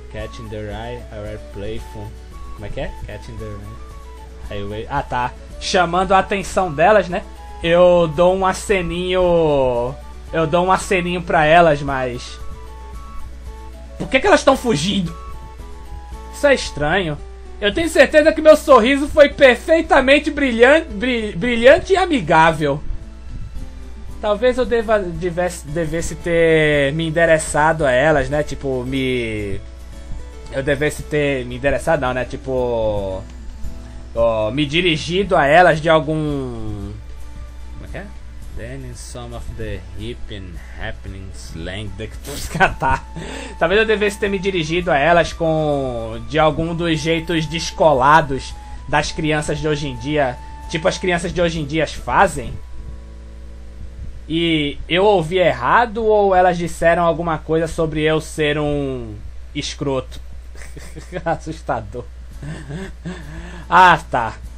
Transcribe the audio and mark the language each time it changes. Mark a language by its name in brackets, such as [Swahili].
[English] Catching the eye, I was playful. [Portuguese] Como é que é? [English] Catching the eye. [Portuguese] Ah, tá. Chamando a atenção delas, né? Eu dou um aceninho pra elas, mas... Por que que elas estão fugindo? Isso é estranho. Eu tenho certeza que meu sorriso foi perfeitamente brilhante e amigável. Talvez eu devesse ter me endereçado a elas, né? Tipo, me... Eu devesse ter me endereçado, não, né? Tipo... me dirigido a elas de algum... Como é que é? [English] Then in some of the hip and happening slang that... [Portuguese] tá. Talvez eu devesse ter me dirigido a elas com... De algum dos jeitos descolados das crianças de hoje em dia. Tipo as crianças de hoje em dia fazem. E eu ouvi errado ou elas disseram alguma coisa sobre eu ser um... escroto? Assustador. Ah, tá.